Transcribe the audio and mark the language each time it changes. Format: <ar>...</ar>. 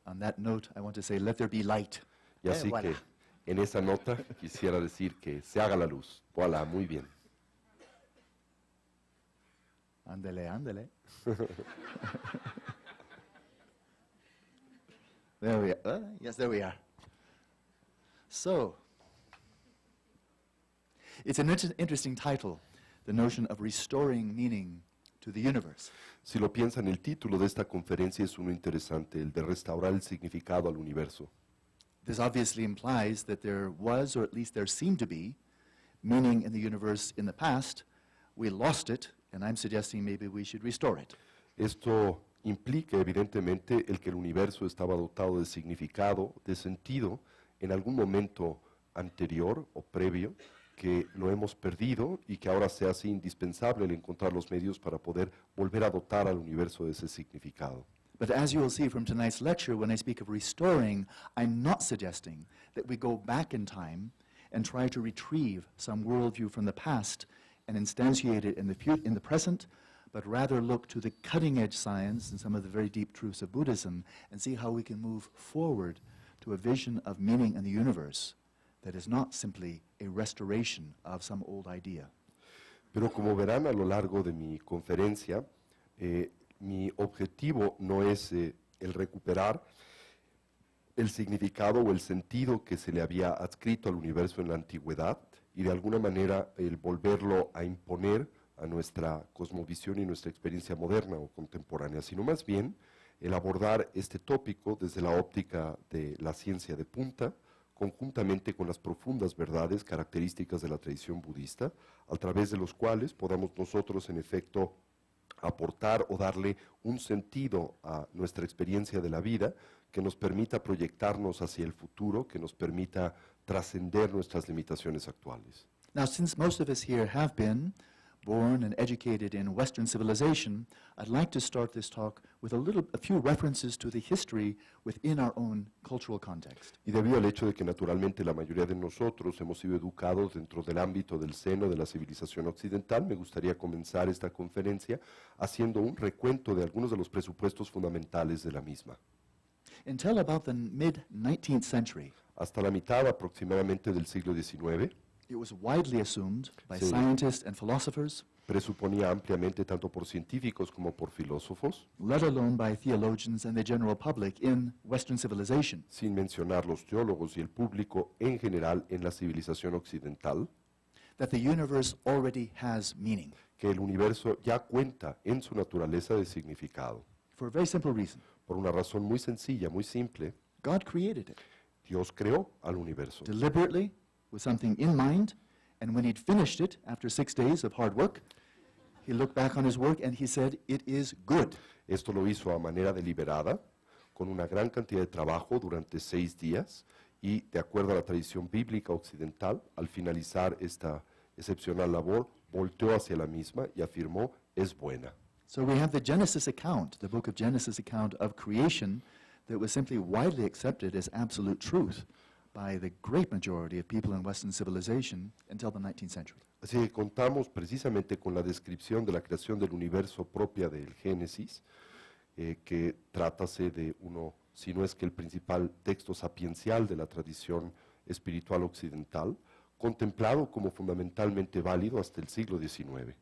<en>On that note, I want to say, let there be light.</en> <es>Y así que, en esa nota, quisiera decir que se haga la luz. Voilà, muy bien. Ándele, ándele.</es> <en>There we are. Yes, there we are. So, it's an interesting title, the notion of restoring meaning to the universe.</en> <es>Si lo piensan, el título de esta conferencia es uno interesante, el de restaurar el significado al universo.</es> <en>This obviously implies that there was, or at least there seemed to be, meaning in the universe in the past. We lost it, and I'm suggesting maybe we should restore it.</en> <es>Esto implica evidentemente el que el universo estaba dotado de significado, de sentido, en algún momento anterior o previo, que lo hemos perdido y que ahora se hace indispensable el encontrar los medios para poder volver a dotar al universo de ese significado.</es> <en>But as you will see from tonight's lecture, when I speak of restoring, I'm not suggesting that we go back in time and try to retrieve some worldview from the past and instantiate it in the present, but rather look to the cutting edge science and some of the very deep truths of Buddhism and see how we can move forward to a vision of meaning in the universe that is not simply a restoration of some old idea.</en> <es>Pero como verán a lo largo de mi conferencia, mi objetivo no es el recuperar el significado o el sentido que se le había adscrito al universo en la antigüedad y de alguna manera el volverlo a imponer a nuestra cosmovisión y nuestra experiencia moderna o contemporánea, sino más bien el abordar este tópico desde la óptica de la ciencia de punta, conjuntamente con las profundas verdades características de la tradición budista, a través de los cuales podamos nosotros, en efecto, aportar o darle un sentido a nuestra experiencia de la vida que nos permita proyectarnos hacia el futuro, que nos permita trascender nuestras limitaciones actuales.</es> <en>Now, since most of us here have been born and educated in Western civilization, I'd like to start this talk with a few references to the history within our own cultural context.</en> <es>Y debido al hecho de que naturalmente la mayoría de nosotros hemos sido educados dentro del ámbito del seno de la civilización occidental, me gustaría comenzar esta conferencia haciendo un recuento de algunos de los presupuestos fundamentales de la misma.</es> <en>Until about the mid-19th century,</en> <es>hasta la mitad aproximadamente del siglo XIX,</es> <en>it was widely assumed by scientists and philosophers,</en> <es>presuponía ampliamente tanto por científicos como por filósofos,</es> <en>let alone by theologians and the general public in Western civilization,</en> <es>sin mencionar los teólogos y el público en general en la civilización occidental,</es> <en>that the universe already has meaning,</en> <es>que el universo ya cuenta en su naturaleza de significado.</es> <en>For a very simple reason.</en> <es>Por una razón muy sencilla, muy simple.</es> <en>God created it.</en> <es>Dios creó al universo.</es> <en>Deliberately, with something in mind, and when he'd finished it, after 6 days of hard work, he looked back on his work and he said, it is good.</en> <es>Esto lo hizo a manera deliberada, con una gran cantidad de trabajo durante 6 días, y de acuerdo a la tradición bíblica occidental, al finalizar esta excepcional labor, volteó hacia la misma y afirmó, es buena.</es> <en>So we have the Genesis account, the book of Genesis account of creation, that was simply widely accepted as absolute truth by the great majority of people in Western civilization until the 19th century.</en> <es>Así que contamos precisamente con la descripción de la creación del universo propia del Génesis, que trátase de uno, si no es que el principal texto sapiencial de la tradición espiritual occidental, contemplado como fundamentalmente válido hasta el siglo XIX.</es>